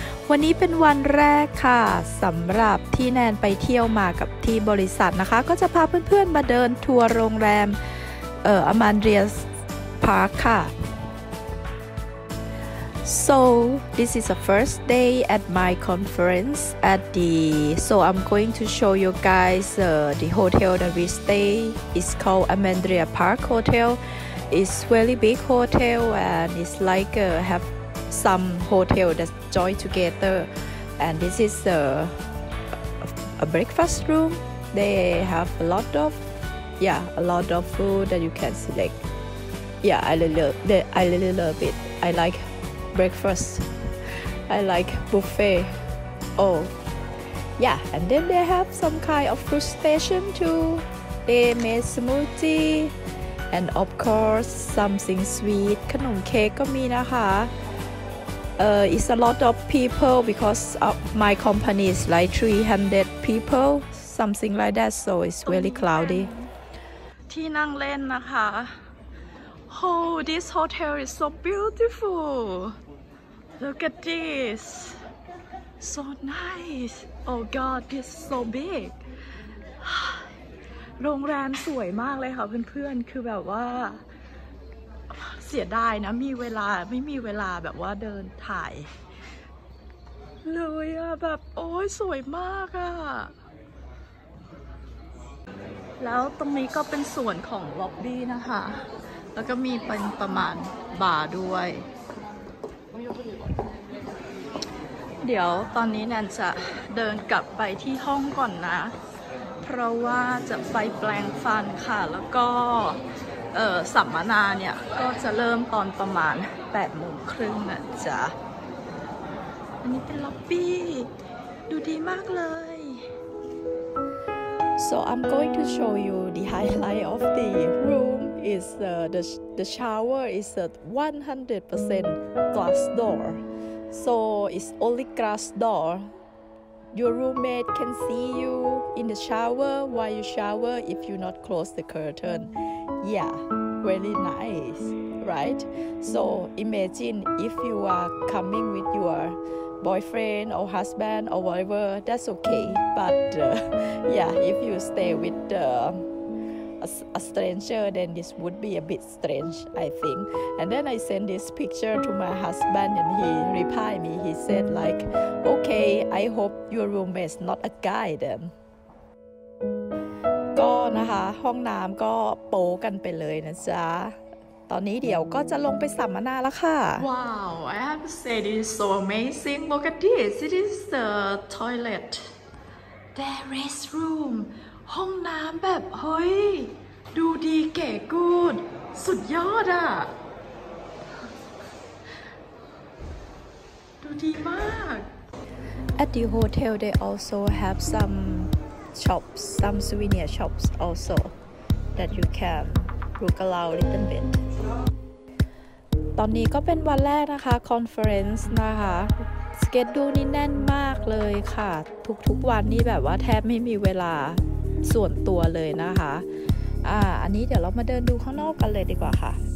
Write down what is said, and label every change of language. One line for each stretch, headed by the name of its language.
Thai: วันนี้เป็นวันแรกค่ะสำหรับที่แนนไปเที่ยวมากับที่บริษัทนะคะก็จะพาเพื่อนๆมาเดินทัวร์โรงแรมอมันเดรียพาร์คค่ะ
English: So this is the first day at my conference at the so I'm going to show you guys the hotel that we stay is called Amandria Park Hotel. It's really big hotel and it's like have some hotel that join together. And this is a breakfast room. They have a lot of food that you can select. Yeah, I really love it. I like. Breakfast. I like buffet. Oh, yeah. And then they have some kind of fruit station too. They made smoothie, and of course something sweet.
Thai: Khanom cake ko mi na ha.
English: It's a lot of people because of my company is like 300 people, something like that. So it's really cloudy.
Thai: ที่นั่งเล่นนะคะ
English: Oh, this hotel is so beautiful. Look at this, so nice. Oh God, this is so big.
Thai: โรงแรมสวยมากเลยค่ะเพื่อนๆคือแบบว่าเสียดายนะไม่มีเวลาแบบว่าเดินถ่ายเลยอะแบบโอ้ยสวยมากอะแล้วตรงนี้ก็เป็นส่วนของล็อบบี้นะคะแล้วก็มีเป็นประมาณบาร์ด้วย เดี๋ยวตอนนี้แนนจะเดินกลับไปที่ห้องก่อนนะเพราะว่าจะไปแปรงฟันค่ะแล้วก็สัมมนาเนี่ยก็จะเริ่มตอนประมาณ 8:30 น่ะจ๊ะอันนี้เป็นล็อบบี้ดูดีมากเลย
English: So I'm going to show you the highlight of the roomIs the shower is a 100% glass door, so it's only glass door. Your roommate can see you in the shower while you shower if you not close the curtain. Yeah, really nice, right? So imagine if you are coming with your boyfriend or husband or whatever, that's okay. But yeah, if you stay with the a stranger, then this would be a bit strange, I think. And then I send this picture to my husband and he replied me. He said like, okay, I hope your roommate's not a guy then.
Thai: ก็นะคะห้องน้ำก็โป๊กันไปเลยนะจ๊ะตอนนี้เดี๋ยวก็จะลงไปสัมมนาแล้วค่ะ
English: Wow, I have to say this is so amazing. Look at this. It is the toilet. There is room.
Thai: ห้องน้ำแบบเฮ้ยดูดีเก๋กูดสุดยอดอ่ะดูดีมาก
English: At the hotel they also have some souvenir shops also that you can look around a little bit
Thai: ตอนนี้ก็เป็นวันแรกนะคะ conference นะคะschedule นี่แน่นมากเลยค่ะทุกๆวันนี่แบบว่าแทบไม่มีเวลาส่วนตัวเลยนะคะอันนี้เดี๋ยวเรามาเดินดูข้างนอกกันเลยดีกว่าค่ะ